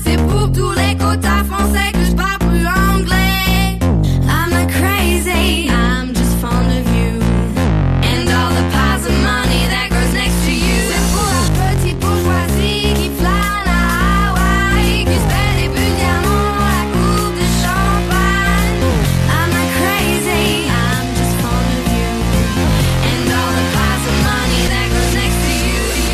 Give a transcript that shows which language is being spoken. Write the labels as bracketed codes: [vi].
[fr] C'est pour tous les quotas français que je parle plus anglais. [en] I'm a crazy, I'm just fond of you. And all the piles of money that grows next to you. [fr] C'est pour la petite bourgeoisie qui flâne à Hawaï, qui se paie des bulles diamants à coupe de champagne. [en] I'm a crazy, I'm just fond of you. And all the piles of money that grows next to you.